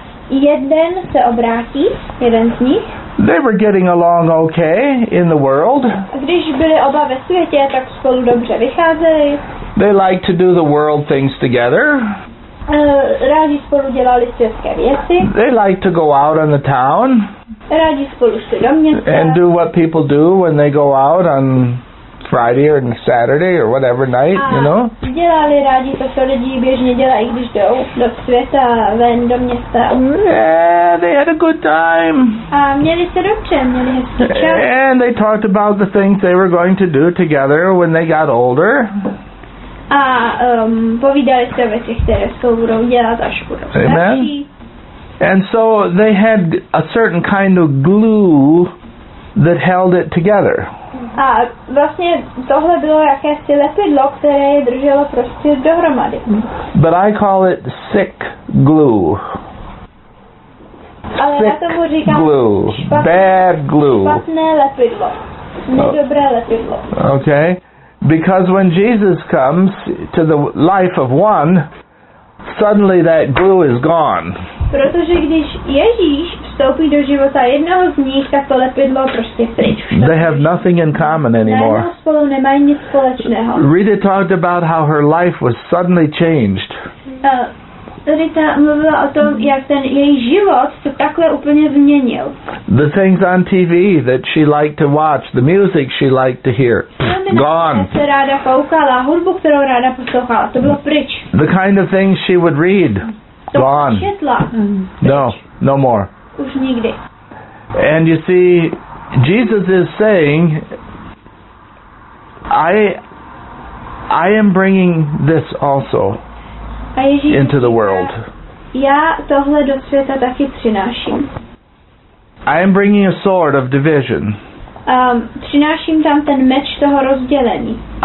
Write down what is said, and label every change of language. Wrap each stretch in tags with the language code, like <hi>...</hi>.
<cs>Jeden se obrátí, jeden z nich.</cs> <en>They were getting along okay in the world.</en> <cs>Když byli oba ve světě, tak spolu dobře vycházeli.</cs> <en>They like to do the world things together.</en> <cs>Rádi spolu dělali světské věci.</cs> <en>They like to go out on the town.</en> <cs>Rádi spolu šli do města.</cs> <en>And do what people do when they go out on Friday or Saturday or whatever night,</en> <cs>a</cs> <en>you know.</en> <cs>Dělali rádi to, co lidi běžně dělají, když jdou do světa, ven do města.</cs> <en>Yeah, they had a good time.</en> <cs>A měli se dobře, měli hezký čas.</cs> <en>And they talked about the things they were going to do together when they got older.</en> <cs>A povídali se o věcech, které spolu budou dělat, až budou starší.</cs> <en>Amen. And so they had a certain kind of glue that held it together.</en> <cs>A vlastně tohle bylo jakési lepidlo, které je drželo prostě dohromady.</cs> <en>But I call it sick glue.</en> <cs>Ale</cs> <en>sick</en> <cs>já tomu říkám</cs> <en>glue.</en> <cs>Špatné,</cs> <en>bad glue.</en> <cs>Špatné lepidlo. Nedobré lepidlo.</cs> <en>Okay. Because when Jesus comes to the life of one, suddenly that glue is gone.</en> <cs>Protože když Ježíš vstoupí do života jednoho z nich, tak to lepidlo prostě pryč.</cs> <en>They have nothing in common anymore.</en> <cs>Najednou spolu nemají nic společného.</cs> <en>Rita talked about how her life was suddenly changed.</en> <cs>Rita mluvila o tom, jak ten její život se takhle úplně změnil.</cs> <en>The things on TV that she liked to watch, the music she liked to hear, gone.</en> <cs>Se ráda koukala, hudbu, kterou ráda poslouchala, to bylo pryč.</cs> <en>The kind of things she would read, gone. No more.</en> <cs>Už nikdy.</cs> <en>And you see, Jesus is saying, I am bringing this also into the world.</en> <cs>Já tohle do světa taky přináším.</cs> <en>I am bringing a sword of division.</en> <cs>Přináším tam ten meč toho rozdělení.</cs>